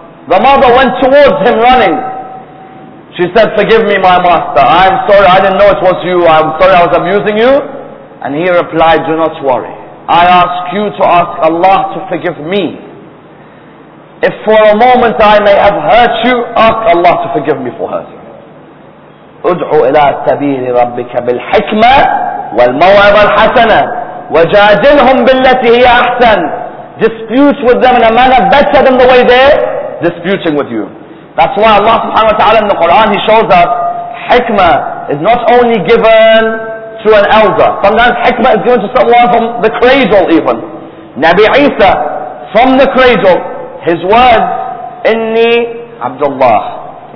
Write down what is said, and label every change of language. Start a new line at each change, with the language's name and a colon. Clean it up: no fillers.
English: The mother went towards him running. She said, forgive me, my master. I'm sorry, I didn't know it was you. I'm sorry I was abusing you. And he replied, do not worry. I ask you to ask Allah to forgive me. If for a moment I may have hurt you, ask Allah to forgive me for hurting you.
Arabic: ادعو إلى سبيل ربك بالحكمة والموعظة الحسنة وجادلهم بالتي هي أحسن.
English: Dispute with them in a manner better than the way they're disputing with you. That's why Allah subhanahu wa ta'ala in the Quran, He shows us, hikmah is not only given to an elder. Sometimes hikmah is given to someone from the cradle even. Nabi Isa, from the cradle, His words, Inni Abdullah.